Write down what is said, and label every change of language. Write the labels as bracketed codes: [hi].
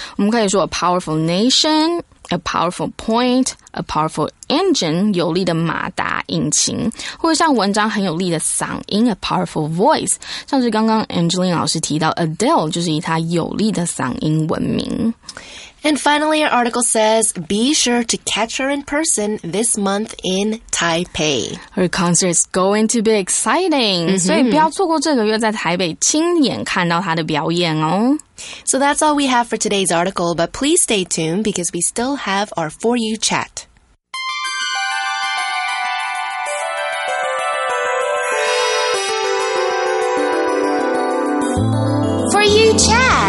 [zh] 我们可以说 [en] a powerful nation, a powerful point, a powerful engine, [zh] 有力的马达、引擎，或者像文章很有力的嗓音 [en] a powerful voice, [zh] 像是刚刚 Angeline 老师提到 Adele 就是以她有力的嗓音闻名。 [en] And finally, our article says, be sure to catch her in person this month in Taipei. Her concert is going to be exciting. Mm-hmm. [zh] 所以不要错过这个月在台北亲眼看到她的表演哦。 [en] So that's all we have for today's article, but please stay tuned because we still have our For You chat. For You chat.